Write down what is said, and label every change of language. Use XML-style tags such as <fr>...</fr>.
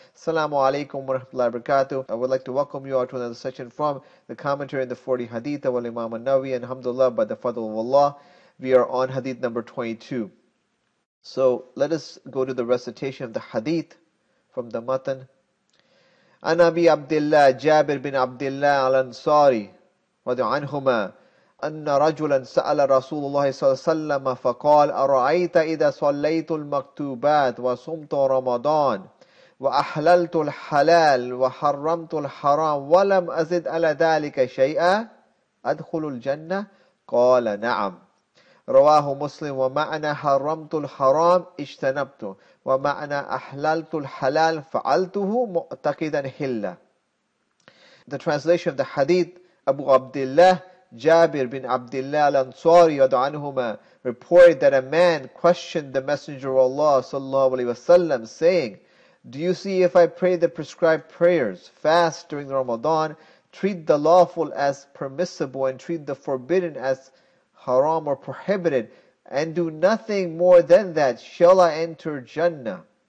<en>Assalamu alaikum wa rahmatullahi wa barakatuh. I would like to welcome you all to another session from the commentary in the 40 hadith of Imam al-Nawawi, and alhamdulillah by the fadl of Allah we are on hadith number 22. So let us go to the recitation of the hadith from the matan.</en> <ar>عن أبي عبد الله جابر بن عبد الله الأنصاري رضي الله عنهما أن رجلا سأل رسول الله صلى الله عليه وسلم فقال أرأيت إذا صليت المكتوبات وصمت رمضان وأحللت الحلال وحرمت الحرام ولم أزد على ذلك شيئا أدخل الجنة؟ قال نعم. رواه مسلم. ومعنى حرمت الحرام اجتنبته ومعنى أحللت الحلال فعلته معتقدا حلا.</ar> <en>The translation of the hadith, Abu Abdullah Jabir bin Abdullah al-Ansari radhiyallahu anhu reported that a man questioned the Messenger of Allah sallallahu alaihi wasallam, saying, "Do you see if I pray the prescribed prayers, fast during Ramadan, treat the lawful as permissible and treat the forbidden as haram or prohibited, and do nothing more than that, shall I enter Jannah?"</en>